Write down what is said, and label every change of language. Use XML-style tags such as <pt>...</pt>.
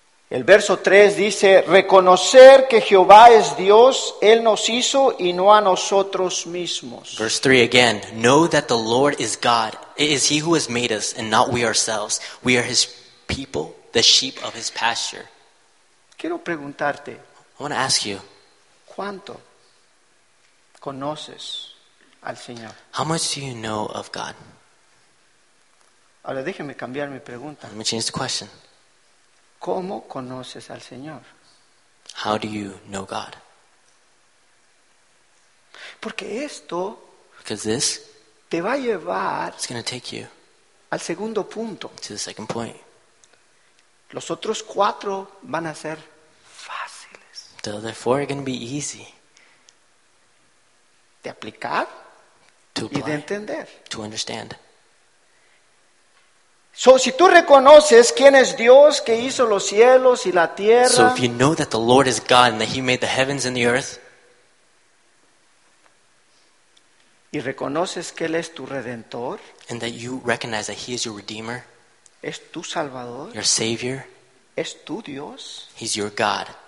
<es>El verso 3 dice, reconocer que Jehová es Dios, Él nos hizo y no a nosotros mismos.</es> <en>Verse 3 again, know that the Lord is God, it is He who has made us and not we ourselves. We are His people, the sheep of His pasture.</en> <es>Quiero preguntarte,</es> <en>I want to ask you,</en> <es>¿cuánto conoces al Señor?</es> <en>How much do you know of God?</en> <es>Ahora déjeme cambiar mi pregunta.</es> <en>Let me change the question.</en> <es>¿Cómo conoces al Señor?</es> <en>How do you know God?</en> <es>Porque esto,</es> <en>because this,</en> <es>te va a llevar,</es> <en>it's going to take you,</en> <es>al segundo punto,</es> <en>to the second point.</en> <es>Los otros cuatro van a ser fáciles.</es> <en>The other four are going to be easy.</en> <es>De aplicar,</es> <en>to apply,</en> <es>y de entender,</es> <en>to understand.</en> <es>So, si tú reconoces quién es Dios que hizo los cielos y la tierra.</es> <en>So if you know that the Lord is God and that He made the heavens and the earth.</en> <es>Y reconoces que Él es tu Redentor.</es> <en>And that you recognize that He is your Redeemer.</en> <es>Es tu Salvador.</es> <en>Your Savior.</en> <es>Es tu Dios.</es> <en>He's your God.</en>